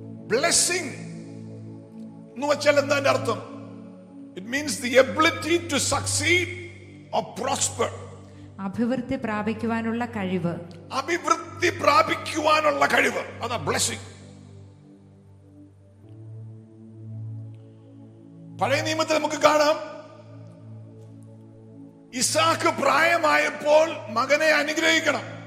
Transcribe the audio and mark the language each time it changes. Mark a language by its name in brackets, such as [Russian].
[Malayalam] Blessing എന്ന് വെച്ചാൽ എന്താണ് അർത്ഥം? [English] It means the ability to succeed or prosper. [Malayalam] അഭിവൃദ്ധി പ്രാപിക്കുവാനുള്ള കഴിവ്. അഭിവൃദ്ധി പ്രാപിക്കുവാനുള്ള കഴിവ്, അതാ ബ്ലെസ്സിംഗ്. പഴയ നിയമത്തിൽ നമുക്ക് കാണാം, ഇസാക്ക് പ്രായമായപ്പോൾ മകനെ അനുഗ്രഹിക്കണം.